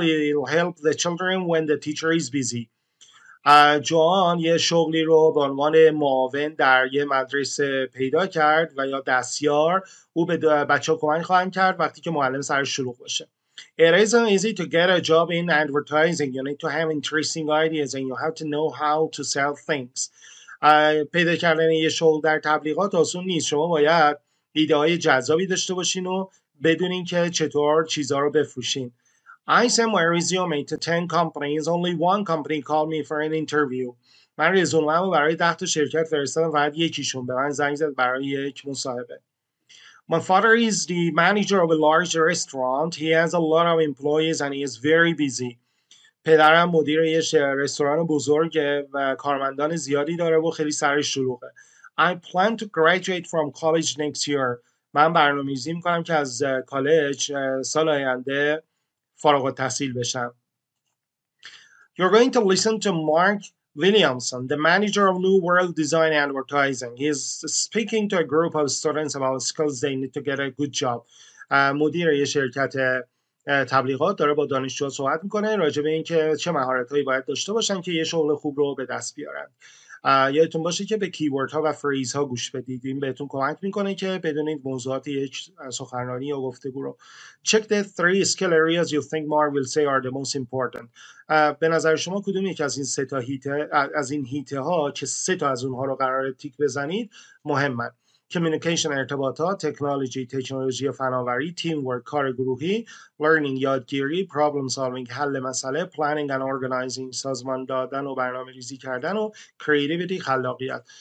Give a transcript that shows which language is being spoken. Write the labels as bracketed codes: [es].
[en] He'll help the children when the teacher is busy. [fa] Juan یه شغلی رو به عنوان معاون در یه مدرسه پیدا کرد و یا دستیار. او به بچه‌ها کمک خواهند کرد وقتی که معلم سر شلوغ باشه. [en] It isn't easy to get a job in advertising. You need to have interesting ideas and you have to know how to sell things. [fa] پیدا کردن یه شغل در تبلیغات آسون نیست. شما باید ایده های جذابی داشته باشین و بدونین که چطور چیزها رو بفروشین. [en] I sent my resume to 10 companies. Only one company called me for an interview. [fa] من رزومه رو برای 10 تا شرکت فرستادم و بعد یکیشون به من زنگ زد برای یک مصاحبه. [en] My father is the manager of a large restaurant. He has a lot of employees and he is very busy. [fa] پدرم مدیر یه رستوران بزرگه و کارمندان زیادی داره و خیلی سرش شلوغه. [en] I plan to graduate from college next year. [fa] من برنامه‌ریزی می‌کنم که از کالج سال آینده فارغ التحصیل بشم. [en] You're going to listen to Mark Williamson, the manager of New World Design Advertising. He is speaking to a group of students about skills they need to get a good job. [fa] مدیر یه شرکت تبلیغات داره با دانشجو صحبت می‌کنه راجع به اینکه چه مهارت‌هایی باید داشته باشن که یه شغل خوب رو به دست بیارن. یادتون باشه که به کیورد ها و فریز ها گوش بدید. این بهتون کمک میکنه که بدونید موضوعات یک سخنرانی یا گفتگو رو. [en] Check the three skill areas you think Mark will say are the most important. [fa] به نظر شما کدوم یک از این سه تا هیته ها که سه تا از اونها رو قرار تیک بزنید مهمن؟ Communication ارتباطات، تکنولوژی فناوری، تیم ورک کار گروهی، لرنینگ یادگیری، پرابلم سالوینگ حل مسئله، پلانینگ و اورگانایزینگ سازمان دادن و برنامه ریزی کردن و کریتیویتی خلاقیت.